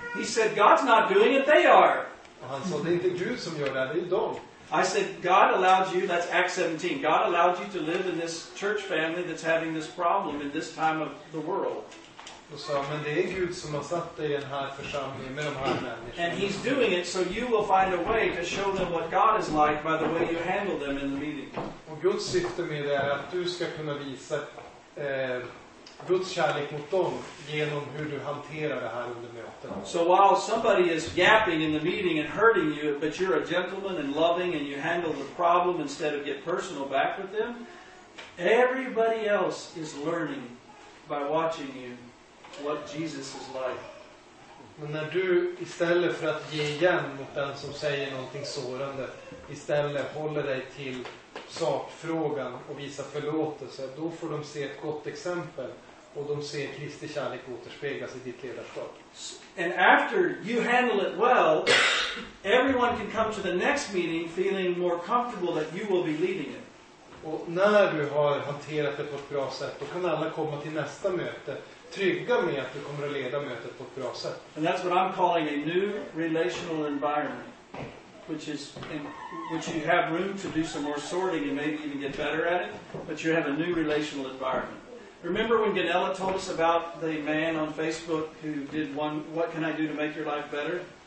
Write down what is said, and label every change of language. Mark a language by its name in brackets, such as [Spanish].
[English] He said, God's not doing it, they are. [Swedish] Och han sa, det är inte Gud som gör det, det är de. [English] I said, God allowed you, that's Acts 17, God allowed you to live in this church family that's having this problem in this time of the world. [Swedish] Och sa, men det är Gud som har satt dig i den här församlingen med de här människorna. [English] And he's doing it so you will find a way to show them what God is like by the way you handle them in the meeting. [Swedish] Och Guds syfte med det är att du ska kunna visa Guds kärlek mot dem genom hur du hanterar det här under möten. [English] So while somebody is yapping in the meeting and hurting you, but you're a gentleman and loving and you handle the problem instead of get personal back with them, everybody else is learning by watching you what Jesus is like. [Swedish] Men när du istället för att ge igen mot den som säger någonting sårande, istället håller dig till sakfrågan och visa förlåtelse, då får de se ett gott exempel och de ser Kristi kärlek återspeglas i ditt ledarskap. [English] And after you handle it well, everyone can come to the next meeting feeling more comfortable that you will be leading it. [Swedish] Och när du har hanterat det på ett bra sätt, då kan alla komma till nästa möte trygga med att du kommer att leda mötet på ett bra sätt. [English] And that's what I'm calling a new relational environment. Which is in which you have room to do some more sorting and maybe even get better at it, but you have a new relational environment. Remember when Ganella told us about the man on Facebook who did one, what can I do to make your life better?